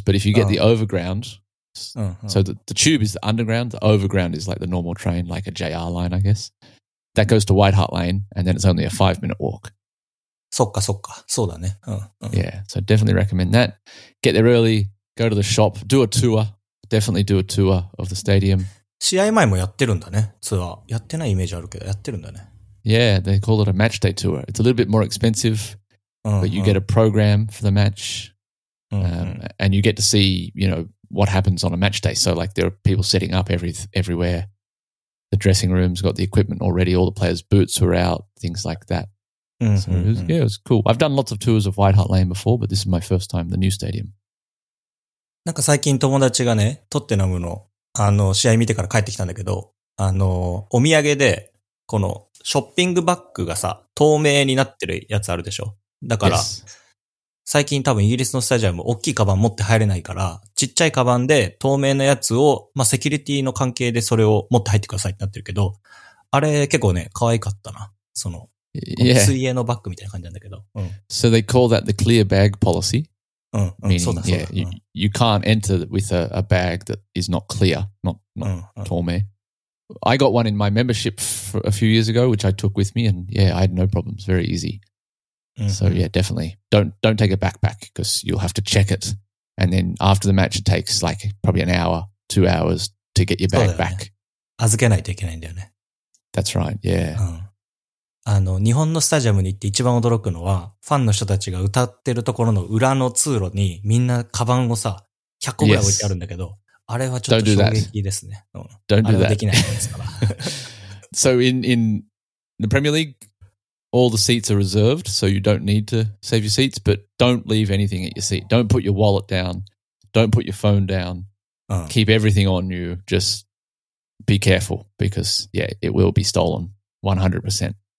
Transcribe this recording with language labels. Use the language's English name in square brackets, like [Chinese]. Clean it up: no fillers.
[English] But if you get the overground, so the tube is the underground. The overground is like the normal train, like a JR line, I guess. That goes to White Hart Lane, and then it's only a 5-minute walk. [Japanese] そっかそっか。そうだね。 [English] Yeah, so definitely recommend that. Get there early, go to the shop, do a tour. Definitely do a tour of the stadium. [Japanese] 試合前もやってるんだね、ツアー。やってないイメージあるけど、やってるんだね。 [English] Yeah, they call it a match day tour. It's a little bit more expensive, but you get a program for the match, and you get to see, you know, what happens on a match day. So, like, there are people setting up everywhere. The dressing room's got the equipment already, all the players' boots are out, things like that. Yeah, it was cool. I've done lots of tours of White Hart Lane before, but this is my first time, the new stadium. [Japanese] なんか最近友達がね、トッテナムの、あの、試合見てから帰ってきたんだけど、あの、お土産で、この、ショッピングバッグがさ、透明になってるやつあるでしょ。だから、最近多分イギリスのスタジアム大きいカバン持って入れないから、ちっちゃいカバンで透明なやつを、まあ、セキュリティの関係でそれを持って入ってくださいってなってるけど、あれ結構ね、可愛かったな。その、水泳のバッグみたいな感じなんだけど。 [English] So they call that the clear bag policy. Meaning, yeah, you can't enter with a bag that is not clear, not 透明. I got one in my membership for a few years ago, which I took with me, and yeah, I had no problems. Very easy. So yeah, definitely don't take a backpack, because you'll have to check it, and then after the match, it takes like probably an hour, 2 hours to get your bag back. [Japanese] 預けないといけないんだよね。 [English] That's right. Yeah. [Japanese] あの日本のスタジアムに行って一番驚くのは、ファンの人たちが歌ってるところの裏の通路にみんなカバンをさ100個ぐらい置いてあるんだけど、あれはちょっと衝撃ですね。 [English] Don't do that. [Japanese] あれはできないですから。 [English] So in the Premier League, all the seats are reserved, so you don't need to save your seats, but don't leave anything at your seat. Don't put your wallet down. Don't put your phone down. Keep everything on you. Just be careful, because yeah, it will be stolen 100%.